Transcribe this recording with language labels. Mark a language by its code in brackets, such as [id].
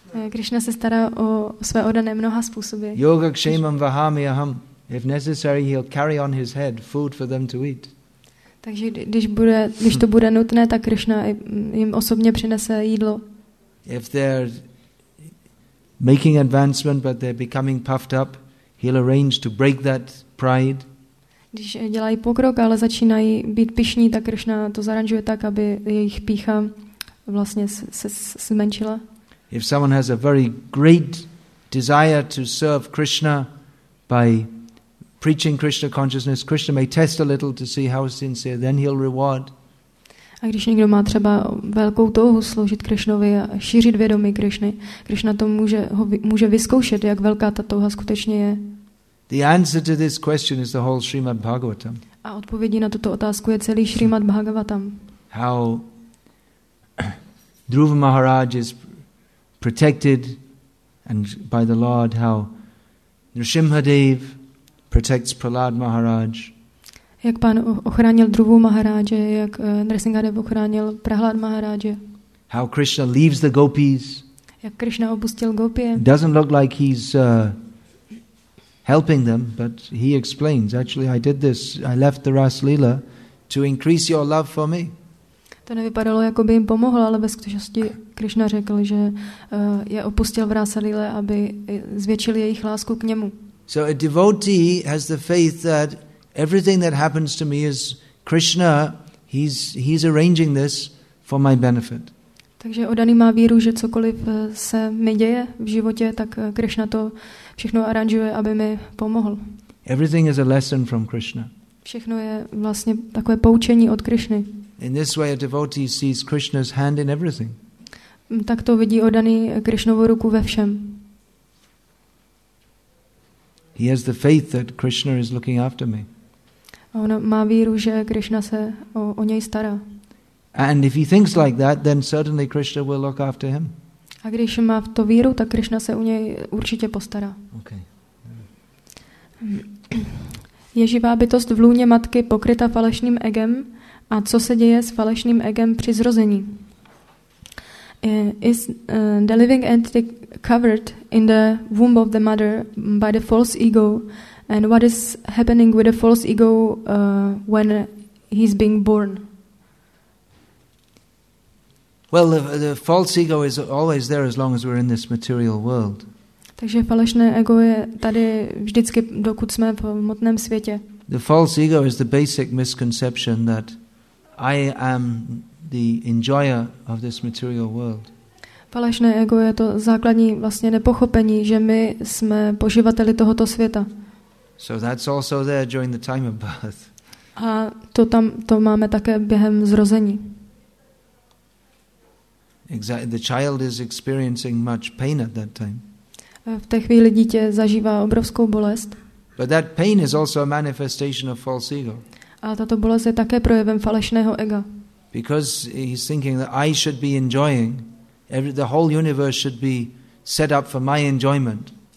[cs] Krishna se stará o své oddané mnoha způsoby. [sa] Yoga kshemam vahami aham. [en] If necessary, he'll carry on his head food for them to eat. [cs] Takže když to bude nutné, tak Krishna jim osobně přinese jídlo. [en] If they're making advancement, but they're becoming puffed up, he'll arrange to break that pride. [cs] Když dělají pokrok, ale začínají být pyšní, tak Krishna to zaranžuje tak, aby jejich pýcha vlastně se zmenšila. [en] If someone has a very great desire to serve Krishna by preaching Krishna consciousness, Krishna may test a little to see how sincere, then he'll reward. [cs] A když někdo má třeba velkou touhu sloužit Krishnovi a šířit vědomí Krishny, Krishna to může vyzkoušet, jak velká ta touha skutečně je. [en] The answer to this question is the whole Srimad Bhagavatam. [cs] A odpovědí na tuto otázku je celý Srimad Bhagavatam. [en] How Dhruva Maharaj is protected and by the Lord, how Nrsimha Dev protects Prahlad Maharaj. [cs] Jak pán ochránil Dhruvu Maharaje, jak Nrsimhadev ochránil Prahlad Maharaje. [en] How Krishna leaves the gopis. [cs] Jak Krishna opustil gopie. [en] Doesn't look like he's helping them, but he explains, actually I did this, I left the Ras Lila to increase your love for me. [cs] To nevypadalo, jako by jim pomohl, ale ve skutečnosti Krishna řekl, že je opustil v Ras Lila, aby zvětšil jejich lásku k němu. [en] So a devotee has the faith that everything that happens to me is Krishna, he's arranging this for my benefit. [cs] Takže oddaný má víru, že cokoliv se mi děje v životě, tak Krishna to všechno aranžuje, aby mi pomohl. [en] Everything is a lesson from Krishna. [cs] Všechno je vlastně takové poučení od Krishny. [en] In this way a devotee sees Krishna's hand in everything. [cs] Tak to vidí oddaný Krishnovu ruku ve všem. [en] He has the faith that Krishna is looking after me. [cs] A on má víru, že Krishna se o něj stará. [en] And if he thinks like that, then certainly Krishna will look after him. [cs] A když má v to víru, tak Krishna se o něj určitě postará. [en] Okay. [cs] Je živá bytost v lůně matky pokryta falešným egem, a co se děje s falešným egem při zrození? [en] Is the living entity covered in the womb of the mother by the false ego, and what is happening with the false ego when he's being born? Well, the false ego is always there as long as we're in this material world. [cs] Takže falešné ego je tady vždycky, dokud jsme v hmotném světě. [en] The false ego is the basic misconception that I am the enjoyer of this material world. [cs] Falešné ego je to základní vlastně nepochopení, že my jsme poživateli tohoto světa. [en] So that's also there during the time of birth. [cs] A to máme také během zrození. [en] Exactly, the child is experiencing much pain at that time. [cs] V té chvíli dítě zažívá obrovskou bolest. [en] But that pain is also a manifestation of false ego. [cs] A tato bolest je také projevem falešného ega. [en] Because he's thinking that I should be enjoying, the whole universe should be set up for my enjoyment.